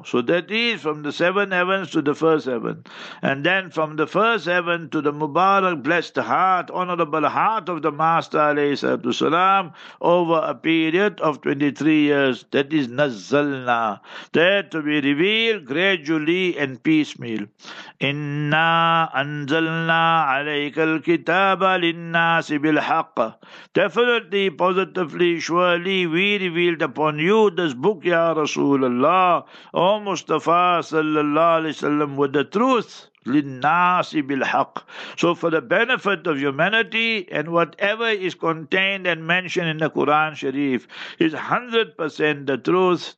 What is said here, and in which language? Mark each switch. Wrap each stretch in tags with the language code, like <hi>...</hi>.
<en>So that is from the seven heavens to the first heaven. And then from the first heaven to the mubarak, blessed heart, honorable heart of the Master alayhi salatu salam, over a period of 23 years. That is nazalna. There to be revealed gradually and piecemeal.</en> <ar>Inna anzalna عليك الكتاب للناس بالحق.</ar> <en>Definitely, positively, surely, we revealed upon you this book, Ya Rasulullah, O Mustafa sallallahu alayhi wa sallam, with the truth.</en> <ar>لِلنَّاسِ بِالْحَقِّ.</ar> <en>So for the benefit of humanity, and whatever is contained and mentioned in the Quran Sharif is 100% the truth.</en>